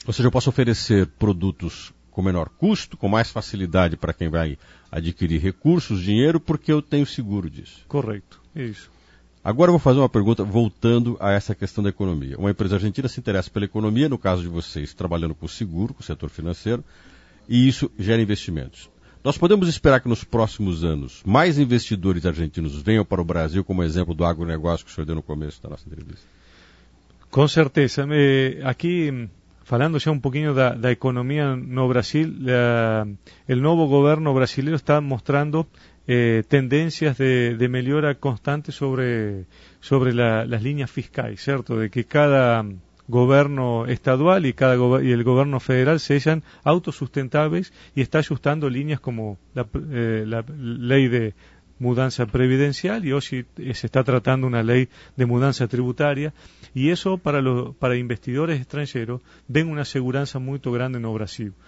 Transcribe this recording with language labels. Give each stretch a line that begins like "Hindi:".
Spanish: O sea, yo puedo ofrecer productos con menor custo, con más facilidad para quien va a adquirir recursos, dinero, porque yo tengo seguro disso. Correcto, eso.
Portuguese: Agora eu vou fazer uma pergunta voltando a essa questão da economia. Uma empresa argentina se interessa pela economia, no caso de vocês, trabalhando com seguro, com o setor financeiro, e isso gera investimentos. Nós podemos esperar que nos próximos anos mais investidores argentinos venham para o Brasil, como exemplo do agronegócio que o senhor deu no começo da nossa entrevista? Com certeza. Aqui, falando já um pouquinho da economia no Brasil, o novo governo brasileiro está mostrando tendências de melhora constante sobre as linhas fiscais, certo?
Spanish: De que cada gobierno estadual y el gobierno federal sean autosustentables y está ajustando líneas como la ley de mudanza previdencial y hoy se está tratando una ley de mudanza tributaria, y eso para investidores extranjeros ven una aseguranza muy grande en el Brasil.